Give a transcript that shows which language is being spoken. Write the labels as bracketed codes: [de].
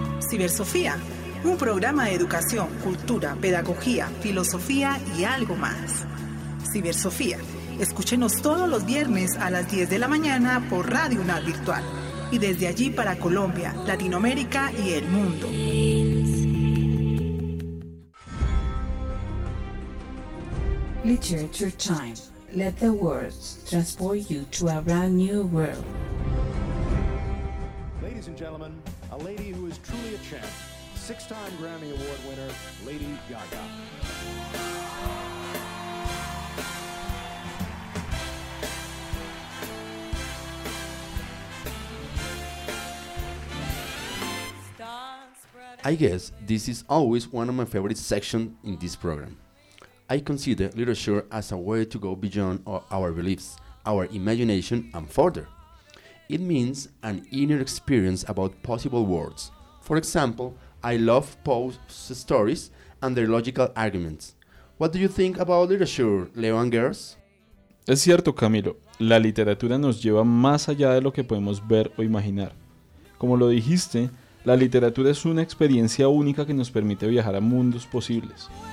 [es] Cibersofía, un programa de educación, cultura, pedagogía, filosofía y algo más. Cibersofía, escúchenos todos los viernes a las 10 de la mañana por Radio UNAD Virtual y desde allí para Colombia, Latinoamérica y el mundo. [en] Literature Time, let the words transport you to a brand new world. Ladies and gentlemen, a lady who is truly a champ, six-time Grammy Award winner, Lady Gaga. I guess this is always one of my favorite sections in this program. I consider literature as a way to go beyond our beliefs, our imagination, and further. It means an inner experience about possible worlds. For example, I love Poe's stories and their logical arguments. What do you think about literature, Leo and girls? [es] Es cierto, Camilo. La literatura nos lleva más allá de lo que podemos ver o imaginar. Como lo dijiste, la literatura es una experiencia única que nos permite viajar a mundos posibles.